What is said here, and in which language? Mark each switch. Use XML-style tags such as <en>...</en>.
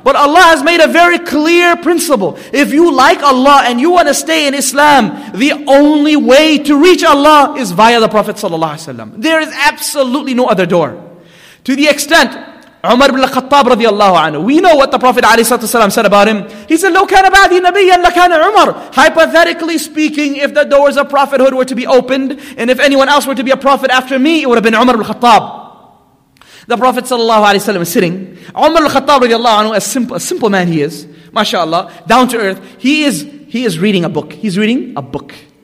<en>But Allah has made a very clear principle. If you like Allah and you want to stay in Islam, the only way to reach Allah is via the Prophet ﷺ. There is absolutely no other door. To the extent, Umar ibn al-Khattab radiallahu anhu, we know what the Prophet alayhi salatu wasalam said about him. He said,</en> <ar>لو كان بعدي نبيا لكان عمر.</ar> <en>Hypothetically speaking, if the doors of prophethood were to be opened, and if anyone else were to be a prophet after me, it would have been Umar ibn al-Khattab. The Prophet sallallahu alayhi wasalam is sitting. Umar ibn al-Khattab radiallahu anhu, a simple man he is, mashallah, down to earth, he is reading a book. He's reading a book.</en>